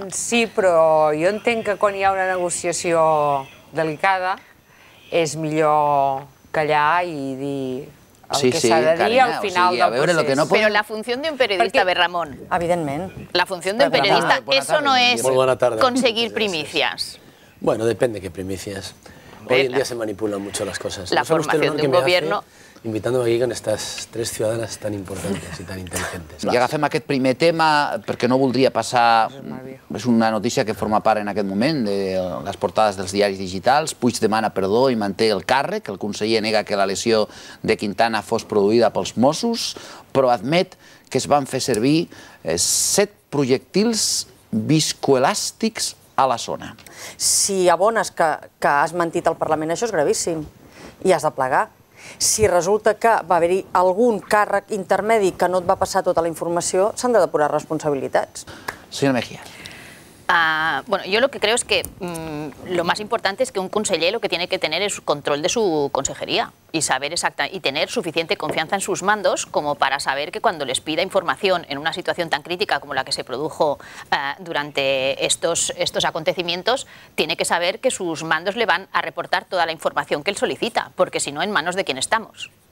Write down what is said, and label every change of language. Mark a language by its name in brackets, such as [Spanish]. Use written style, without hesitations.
[Catalan] Sí, però jo entenc que quan hi ha una negociació delicada és millor callar i dir el que s'ha de dir al final del procés. Però la funció d'un periodista, bé, Ramon. Evidentment. La funció d'un periodista, això no és aconseguir primícies. [Spanish] Bueno, depende de qué primicias. Hoy en día se manipulan mucho las cosas. La formación de un gobierno... Invitándome aquí con estas tres ciudadanas tan importantes y tan inteligentes. [Catalan] I agafem aquest primer tema, perquè no voldria passar... És una notícia que forma part en aquest moment de les portades dels diaris digitals. Puig demana perdó i manté el càrrec. El conseller nega que la lesió de Quintana fos produïda pels Mossos, però admet que es van fer servir 7 projectils viscoelàstics a la zona. Si abones que has mentit al Parlament, això és gravíssim i has de plegar. Si resulta que va haver-hi algun càrrec intermedi que no et va passar tota la informació, s'han de depurar responsabilitats. Senyora Mejías. [Spanish] Bueno, yo lo que creo es que lo más importante es que un conseller lo que tiene que tener es control de su consejería y saber exacta y tener suficiente confianza en sus mandos como para saber que cuando les pida información en una situación tan crítica como la que se produjo durante estos acontecimientos, tiene que saber que sus mandos le van a reportar toda la información que él solicita, porque si no, ¿en manos de quién estamos?